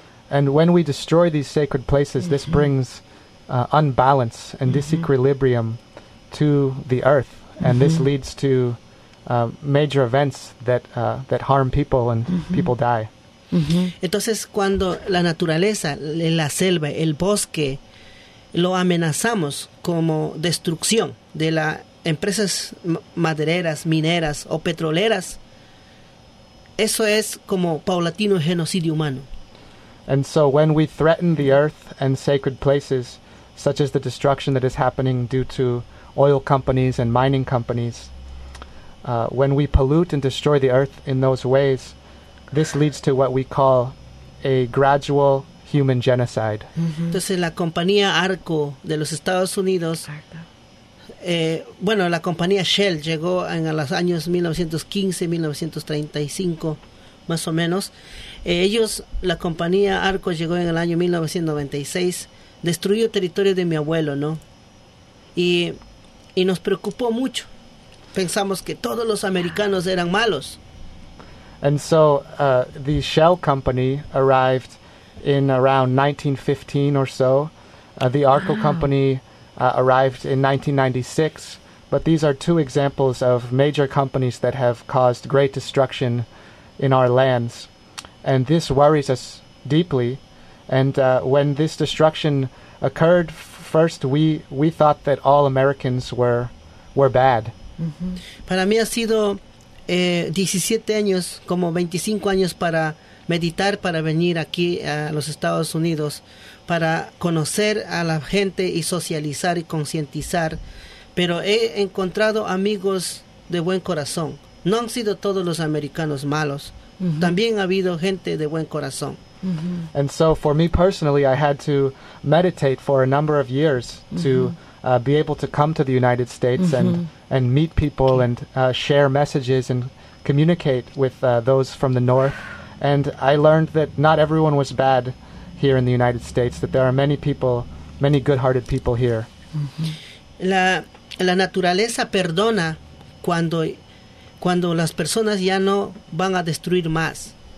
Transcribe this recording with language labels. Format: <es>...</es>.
<en>And when we destroy these sacred places, this brings unbalance and disequilibrium to the earth. And this leads to major events that harm people and people die.</en> <es>Entonces, cuando la naturaleza, la selva, el bosque, lo amenazamos como destrucción de las empresas madereras, mineras o petroleras, eso es como paulatino genocidio humano.</es> <en>And so when we threaten the earth and sacred places, such as the destruction that is happening due to oil companies and mining companies, when we pollute and destroy the earth in those ways, this leads to what we call a gradual human genocide.</en> <es>Entonces la compañía Arco de los Estados Unidos, la compañía Shell llegó en los años 1915-1935, más o menos. Ellos, la compañía Arco llegó en el año 1996, destruyó territorio de mi abuelo, ¿no? Y nos preocupó mucho. Pensamos que todos los americanos eran malos.</es> <en>And so the Shell company arrived in around 1915 or so. The Arco company arrived in 1996. But these are two examples of major companies that have caused great destruction in our lands. And this worries us deeply. And when this destruction occurred, first we thought that all Americans were bad.</en> <es>Para mí ha sido 17 años, como 25 años para meditar, para venir aquí a los Estados Unidos, para conocer a la gente y socializar y concientizar. Pero he encontrado amigos de buen corazón. No han sido todos los americanos malos. También ha habido gente de buen corazón.</es> <en>And so for me personally, I had to meditate for a number of years to be able to come to the United States and meet people and share messages and communicate with those from the North. And I learned that not everyone was bad here in the United States, that there are many people, many good-hearted people here.</en> <es>La naturaleza perdona cuando las personas ya no van a destruir más.</es>